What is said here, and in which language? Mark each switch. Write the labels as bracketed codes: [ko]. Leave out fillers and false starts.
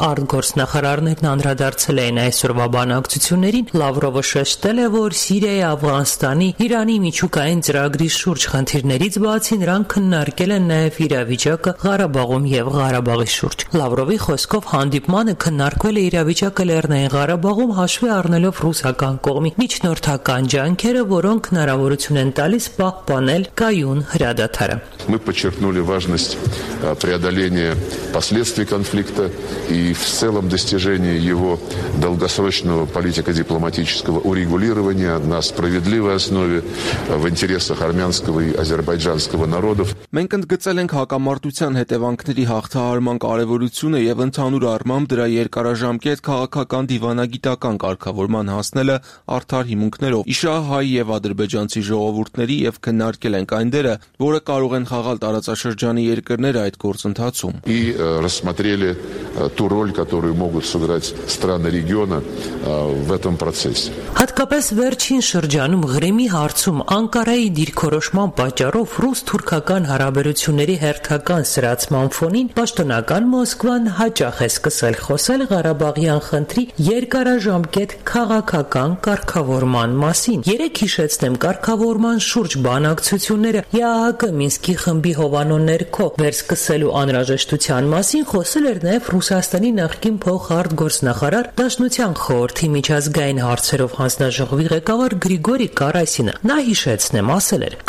[hy] արտգործնախարարներն անդրադարձել էին այսօրվա բանակցություններին։ Լավրովը շեշտել է, որ Սիրիայի, Աֆղանստանի, Իրանի միջուկային ծրագրի շուրջ խնդիրներից բացի նրանք քննարկել են նաև իրավիճակը Ղարաբաղում և Ղարաբաղի շուրջ։ Լավրովի խոսքով հանդիպմանը քննարկվել է իրավիճակը Լեռնային Ղարաբաղում, հաշվի առնելով ռուսական կողմի միջնորդական ջանքերը, որոնք հնարավորություն են տալիս պահպանել Կայուն հրադադարը։ [ru] Мы подчеркнули важность преодоления последствий конфликта и в целом достижения его долгосрочного политико-дипломатического урегулирования на справедливой основе в интересах армянского и азербайджанского народов. [hy] Մենք ընդգծել ենք հակամարտության հետևանքների հաղթահարման կարևորությունը եւ ընդհանուր առմամբ դրա երկարաժամկետ քաղաքական դիվանագիտական կարգավորման հասնելը արդար հիմունքներով։ Իշահայ եւ ադրբեջանցի ժողովուրդների եւ քննարկել ենք այն դերը, որը կարող են խաղալ տարածաշրջանի երկրները այդ գործընթացում։ [ru] И рассмотрели ту роль, которую могут сыграть страны региона в этом процессе։ [hy] Հատկապես վերջին շրջանում Ղրիմի հարցում Անկարայի դիրքորոշման պատճառով ռուս-թուրքական հարաբերությունների հերթական սրացման ֆոնին պաշտոնական Մոսկվան հաճախ է սկսել խոսել Ղարաբաղյան խնդրի երկարաժամկետ քաղաքական կարգավորման մասին։ Երեկ հիշեցնեմ, կարգավորման շուրջ բանակցությունները ԵԱՀԿ Մինսկի խմբի հովանու ներքո վերսկսելու անհրաժեշտության մասին խոսել էր նաև Ռուսաստանի նախկին փոխարտգործնախարար Դաշնության խորհրդի միջազգային հարցերով հանձնաժողովի ղեկավար Գրիգորի Կարասինը։ Նա հիշեցնեմ, ասել էր.